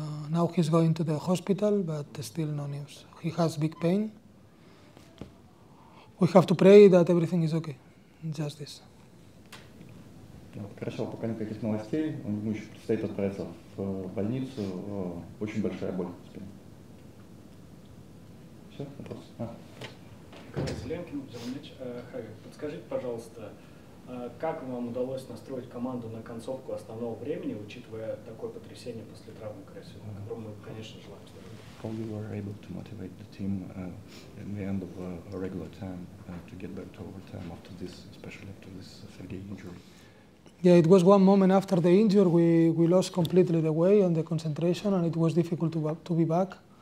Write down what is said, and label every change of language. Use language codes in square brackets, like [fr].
[en] Now he's going to the hospital, but still no news. He has big pain. We have to pray that everything is okay. Just this. [ru] Карасев пока никаких новостей, он ему еще предстоит отправиться в больницу, очень большая боль в спине. Все, вопрос. Карасев Ленкин, Зеленич. Хави, подскажите, пожалуйста, как вам удалось настроить команду на концовку основного времени, учитывая такое потрясение после травмы Карасева, которому, конечно, желаем. [en] How you were able to motivate the team in the end of regular time to get back to overtime after this, especially after this Sergei injury? Yeah, it was one moment after the injury we lost completely the way and the concentration, and it was difficult to be back.